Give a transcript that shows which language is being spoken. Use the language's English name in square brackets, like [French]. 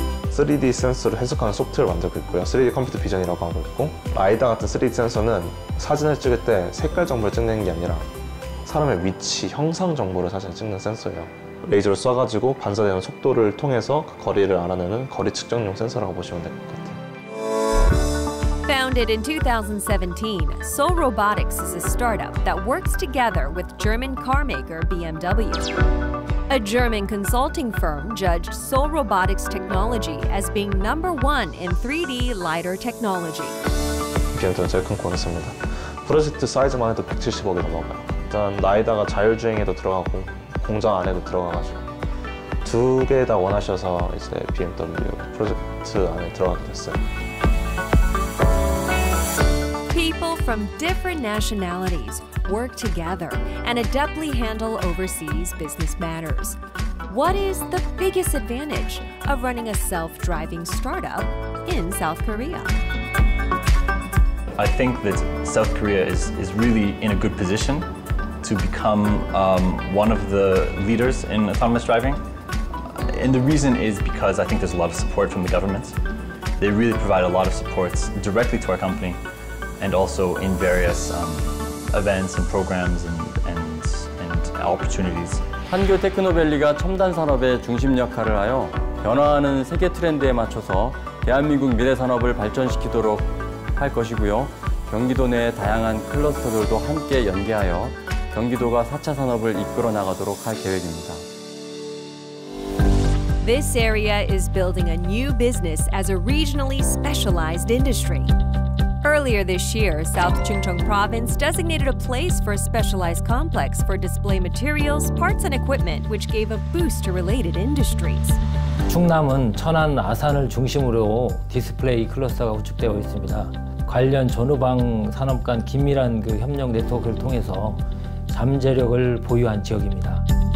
[Korean] 3D 센서를 해석하는 소프트웨어를 만들고 있고요. 3D 컴퓨터 비전이라고 하고 있고 아이다 같은 3D 센서는 사진을 찍을 때 색깔 정보를 찍는 게 아니라 사람의 위치, 형상 정보를 사실 찍는 센서예요. 레이저를 쏴가지고 반사되는 속도를 통해서 그 거리를 알아내는 거리 측정용 센서라고 보시면 될 것 같아요. [English] Founded in 2017, Seoul Robotics is a startup that works together with German car maker BMW. A German consulting firm judged Seoul Robotics technology as being number one in 3D LiDAR technology. [Korean] BMW는 제일 큰 고객사입니다. 프로젝트 사이즈만 해도 170억이 넘어가요. 일단 라이다가 자율주행에도 들어가고 공장 안에도 들어가가지고 두 개 다 원하셔서 이제 BMW 프로젝트 안에 들어가게 됐어요. [English] People from different nationalities work together and adeptly handle overseas business matters. What is the biggest advantage of running a self-driving startup in South Korea? I think that South Korea is really in a good position to become one of the leaders in autonomous driving. And the reason is because I think there's a lot of support from the government. They really provide a lot of support directly to our company. And also in various events and programs and opportunities. [Korean] 판교 테크노밸리가 첨단 산업의 중심 역할을 하여 변화하는 세계 트렌드에 맞춰서 대한민국 미래 산업을 발전시키도록 할 것이고요. 경기도 내 다양한 클러스터들도 함께 연계하여 경기도가 4차 산업을 이끌어 나가도록 할 계획입니다. [English] This area is building a new business as a regionally specialized industry. Earlier this year, South Chungcheong Province designated a place for a specialized complex for display materials, parts and equipment, which gave a boost to related industries. [Korean] 충남은 천안 아산을 중심으로 디스플레이 클러스터가 구축되어 있습니다. 관련 전후방 산업 간 긴밀한 그 협력 네트워크를 통해서 잠재력을 보유한 지역입니다.